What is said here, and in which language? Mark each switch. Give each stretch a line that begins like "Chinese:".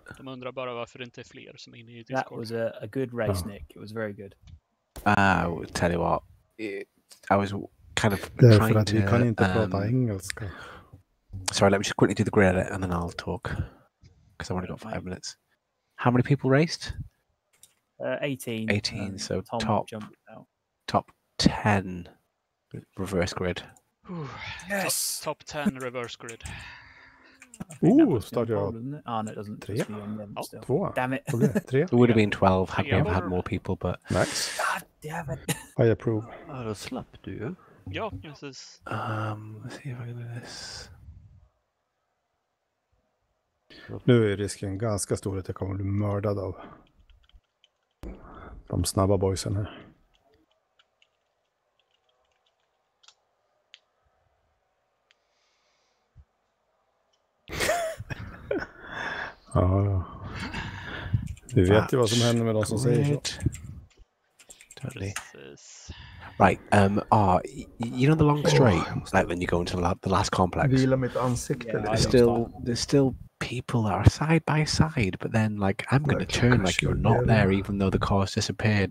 Swedish: De undrar bara varför det inte är fler som är inne i Discord.
English: That was a good race, oh. Nick. It was very good. I will tell you what. I was kind of trying
Swedish: Därför att vi kan inte prata engelska.
English: Sorry, let me just quickly do the grid edit and then I'll talk. Because I've only got 5 minutes. How many people raced? 18. So top 10 reverse grid. Ooh, yes. Top 10 reverse grid. Ooh, start your... Oh, no, it doesn't. 3? Oh, damn it. Okay, 3? It would have been 12 had we had more people, but... Max? God damn it. I approve. I don't slap, do you? Yeah, this is... Let's see if I can do this.
Swedish: Nu är risken ganska stor att jag kommer bli mördad av de snabba boysen här. Ja, vi vet ju vad som händer med de som säger så.
English: Totally. Right, you know the long straight, like when you go into the last complex?
Swedish: Vila mitt ansikte.
English: There's still people that are side by side, but then, like, I'm going to turn like you're not there, even though the car's disappeared.